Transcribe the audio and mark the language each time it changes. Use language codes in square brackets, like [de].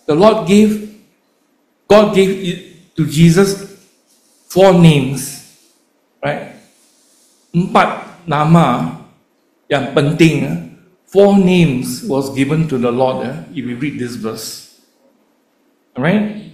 [en] God gave to Jesus four names, right? [ms] Empat nama yang penting. [en] Four names was given to the Lord. If you read this verse, alright.